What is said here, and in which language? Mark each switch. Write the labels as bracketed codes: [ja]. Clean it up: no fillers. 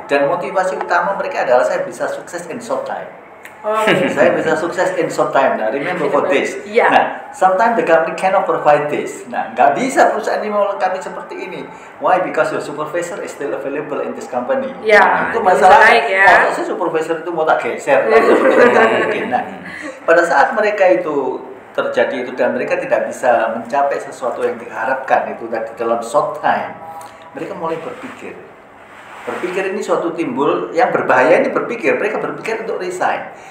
[id] Dan motivasi utama mereka adalah saya bisa sukses [en] in short time. Okay. [id] Saya bisa sukses [en] in short time. Nah, remember for this. Yeah. Nah, sometimes the company cannot provide this. [id] Nah, nggak bisa perusahaan ini melengkapi seperti ini. [en] Why? Because your supervisor is still available in this company. Yeah. [id] Nah, itu masalah. Like, yeah. Oh, saya supervisor itu mau tak geser. Nah, pada saat mereka itu terjadi itu dan mereka tidak bisa mencapai sesuatu yang diharapkan itu tadi dalam [en] short time, [id] mereka mulai berpikir. Berpikir ini suatu timbul yang berbahaya ini berpikir, mereka berpikir untuk resign.